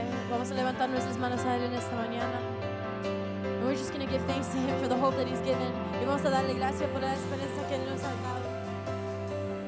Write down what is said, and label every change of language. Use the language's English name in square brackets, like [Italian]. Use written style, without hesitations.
[Spanish] Vamos a levantar nuestras manos a Él en esta mañana. [English] And we're just going to give thanks to Him for the hope that He's given. [Spanish] Y vamos a darle gracias por la esperanza que nos ha dado.